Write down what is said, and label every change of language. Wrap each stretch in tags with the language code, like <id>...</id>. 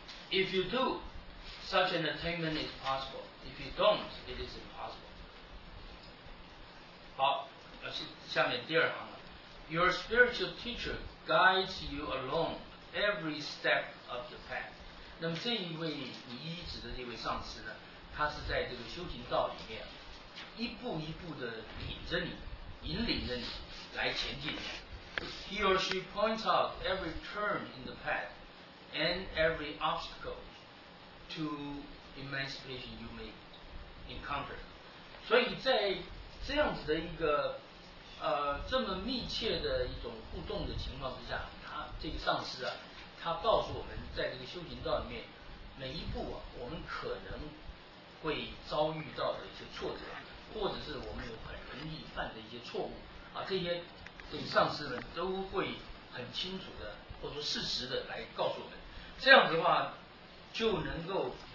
<en>If you do, such an attainment is possible. If you don't, it is impossible.</en> <zh>好，下面第二行了。</zh> <en>Your spiritual teacher guides you along every step of the path.</en> <zh>那么这一位你依止的这位上师呢？他是在这个修行道里面一步一步的领着你引领着你来前进。</zh> <en>He or she points out every turn in the path and every obstacle to in my situation you may encounter.</en> <zh>所以在这样子的一个这么密切的一种互动的情况之下，他这个上师啊，他告诉我们在这个修行道里面每一步啊，我们可能会遭遇到的一些挫折，或者是我们有很容易犯的一些错误啊，这些这个上师们都会很清楚的或者说事实的来告诉我们，这样子的话就能够</zh>